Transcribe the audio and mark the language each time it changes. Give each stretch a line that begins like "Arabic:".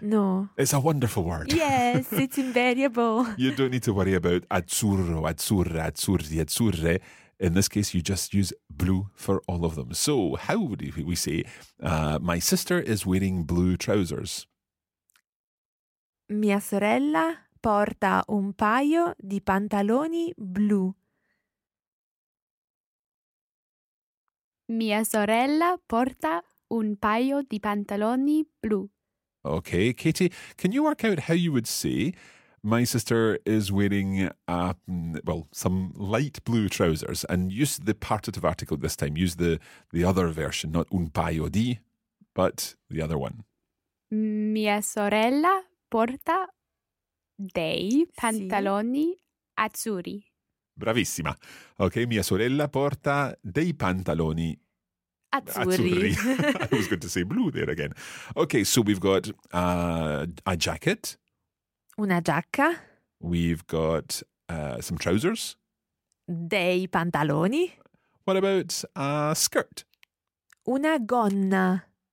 English: No. It's a wonderful word. Yes, it's invariable. You don't need to worry about azzurro, azzurra, azzurri, azzurre. In this case, you just use blue for all of them. So how would we say, my sister is wearing blue trousers?
Italian: Mia sorella porta un paio di pantaloni blu. Mia sorella porta un paio di pantaloni blu.
English: Okay, Katie, can you work out how you would say my sister is wearing some light blue trousers, and use the partitive article this time. Use the other version, not
Italian: un paio di,
English: but the other one.
Italian: Mia sorella porta dei pantaloni azzurri. Bravissima. Okay, mia sorella porta dei pantaloni azzurri.
English: I was going to say blue there again. Okay, so we've got a jacket.
Italian: Una giacca.
English: We've got some trousers.
Italian: Dei pantaloni.
English: What about a skirt?
Italian: Una gonna.